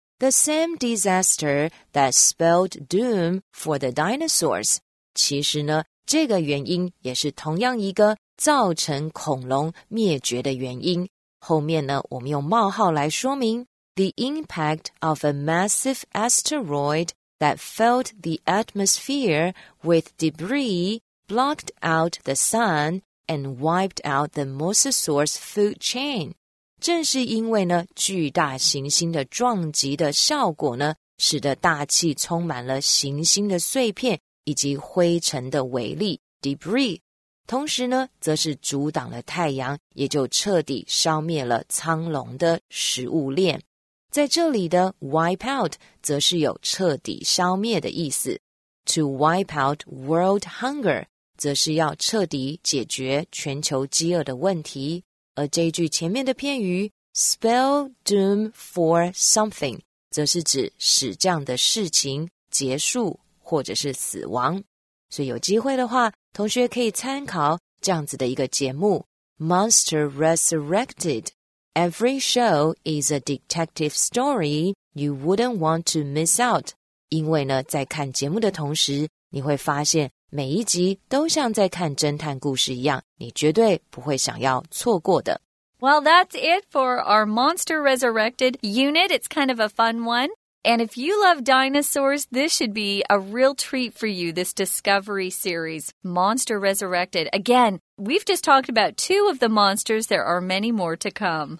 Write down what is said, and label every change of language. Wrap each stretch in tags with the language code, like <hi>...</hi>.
<en>The same disaster that spelled doom for the dinosaurs.</en> <zh>其实呢，这个原因也是同样一个造成恐龙灭绝的原因。后面呢，我们用冒号来说明</zh> <en>The impact of a massive asteroid that filled the atmosphere with debris blocked out the sun and wiped out the Mosasaur's food chain.</en> <zh>正是因为呢，巨大行星的撞击的效果呢，使得大气充满了行星的碎片以及灰尘的微粒 debris， 同时呢，则是阻挡了太阳，也就彻底消灭了苍龙的食物链。在这里的 wipe out 则是有彻底消灭的意思。</zh> <en>To wipe out world hunger</en> <zh>则是要彻底解决全球饥饿的问题。而这一句前面的片语</zh> <en>spell doom for something</en> <zh>则是指使这样的事情结束或者是死亡。所以有机会的话，同学可以参考这样子的一个节目 Monster Resurrected。</zh> <en>Every show is a detective story you wouldn't want to miss out.</en> <zh>因为呢，在看节目的同时，你会发现每一集都像在看侦探故事一样，你绝对不会想要错过的。</zh> <en>Well, that's it for our Monster Resurrected unit. It's kind of a fun one. And if you love dinosaurs, this should be a real treat for you, this discovery series, Monster Resurrected. Again, we've just talked about two of the monsters. There are many more to come.</en>